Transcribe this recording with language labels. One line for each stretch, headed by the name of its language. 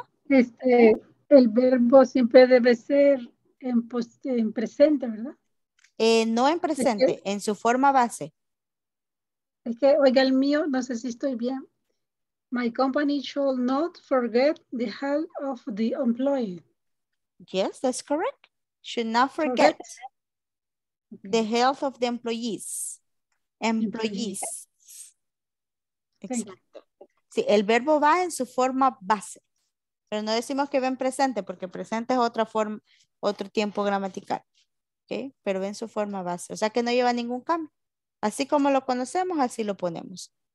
Spanish: Este, el verbo siempre debe ser en presente, ¿verdad? No en presente, ¿sí? En su forma base. Es que, oiga, el mío, no sé si estoy bien.
English: My company should not forget the health of the employee. Yes, that's correct. Should not forget the health of the employees. Employees.
Spanish: Exacto. Sí, el verbo va en su forma base. Pero no decimos que va en presente, porque presente es otra forma, otro tiempo gramatical. ¿Okay? Pero va en su forma base. O sea que no lleva ningún cambio. Así como lo conocemos, así lo ponemos.